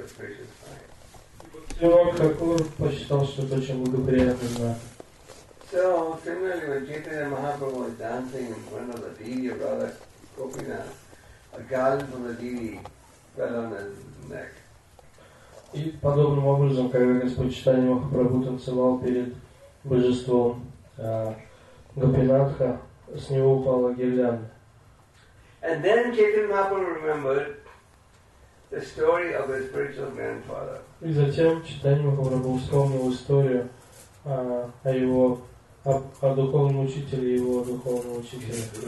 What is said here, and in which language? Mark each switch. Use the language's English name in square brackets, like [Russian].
[Russian] Бхактивинода Тхакур посчитал, что это очень благоприятно. [English] So, similarly, when Chaitanya Mahaprabhu was dancing in front of the deity of Radha Gopinath, a garland from the deity fell on his neck. [Russian] И подобным образом, когда Господь Чайтанья Махапрабху танцевал перед божеством Гопинатха, с него упала гирлянда. [English] And then Chaitanya Mahaprabhu remembered the story of his spiritual grandfather. [Russian] И затем Чайтанья Махапрабху вспомнил историю о духовном учителе и его духовном учителе.